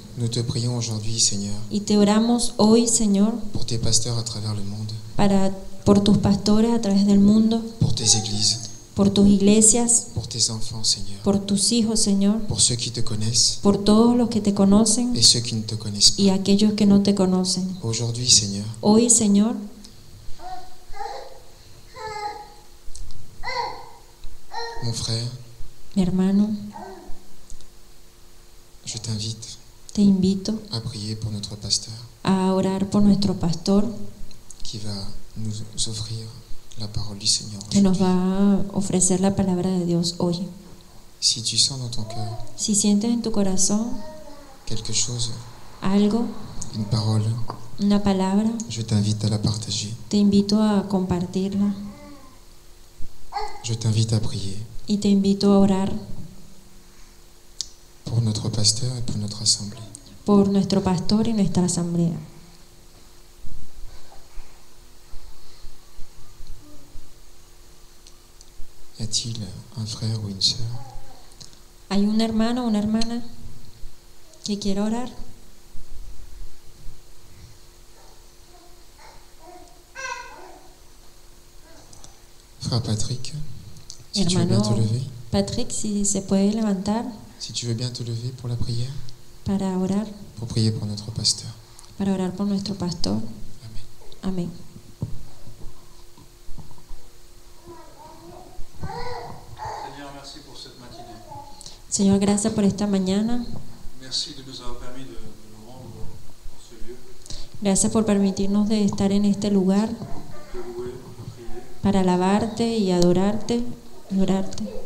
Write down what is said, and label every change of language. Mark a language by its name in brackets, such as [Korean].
[French] Nous te prions aujourd'hui, Seigneur. [Spanish] Y te oramos hoy, Señor. [French] Pour tes pasteurs à travers le monde. [Spanish] Para por tus pastores a través del mundo, [French] por tes églises, [Spanish] por tus iglesias, [French] por tes enfants, Señor, [Spanish] por tus hijos, Señor, [French] por ceux qui te connaissent, [Spanish] por todos los que te conocen, [French] et ceux qui ne te connaissent pas, [Spanish] y aquellos que no te conocen. [French] Aujourd'hui, Señor, [Spanish] hoy, Señor, [French] mon frère, [Spanish] mi hermano, [French] je t'invite, [Spanish] te invito, [French] a prier pour notre pasteur, [Spanish] a orar por nuestro pastor, [French] qui va nous offrir la parole du Seigneur aujourd'hui. [Spanish] Que nos va a ofrecer la palabra de Dios hoy. [French] Si tu sens dans ton cœur, [Spanish] si sientes en tu corazón, [French] quelque chose, [Spanish] algo, [French] une parole, [Spanish] una palabra, [French] je t'invite à la partager, [Spanish] te invito a compartirla. [French] Je t'invite à prier. [Spanish] Y te invito a orar. [French] Pour notre pasteur et pour notre assemblée. [Spanish] Por nuestro pastor y nuestra asamblea. [French] Y a-t-il un frère ou une sœur? [Spanish] ¿Hay un hermano o una hermana que quiera orar? [French] Frère Patrick. Si [Spanish] hermano, [French] tu veux bien te lever, [Spanish] Patrick, si se puede levantar. [French] Si tu veux bien te lever pour la prière. [Spanish] Para orar. [French] Pour prier pour notre pasteur. [Spanish] Para orar por nuestro pastor. Amén. Amén. [French] Seigneur, merci pour cette matinée. [Spanish] Señor, gracias por esta mañana. [French] Merci de nous avoir permis de nous rendre en ce lieu. [Spanish] Gracias por permitirnos de estar en este lugar. [French] De louer, de prier. [Spanish] Para alabarte y adorarte. Adorarte.